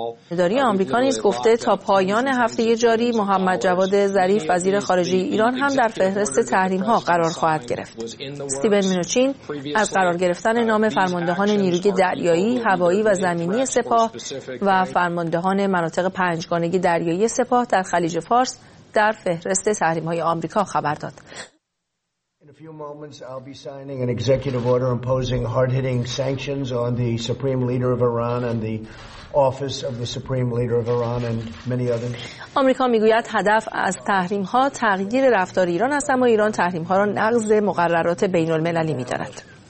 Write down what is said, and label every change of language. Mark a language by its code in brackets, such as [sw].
[fa] اداری آمریکا نیز گفته تا پایان هفته جاری محمد جواد ظریف وزیر خارجه ایران هم در فهرست تحریم ها قرار خواهد گرفت. استیون مینوچین از قرار گرفتن نام فرماندهان نیروی دریایی، هوایی و زمینی سپاه و فرماندهان مناطق پنجگانه دریایی سپاه در خلیج فارس در فهرست تحریم های آمریکا خبر داد. [en] In a few moments, I'll be signing an executive order imposing hard-hitting sanctions on the Supreme Leader of Iran and the office of the Supreme Leader of Iran and many others. [fa] آمریکا میگوید هدف از تحریم‌ها تغییر رفتار ایران است، اما ایران تحریم‌ها را نقض مقررات بین‌المللی می‌داند.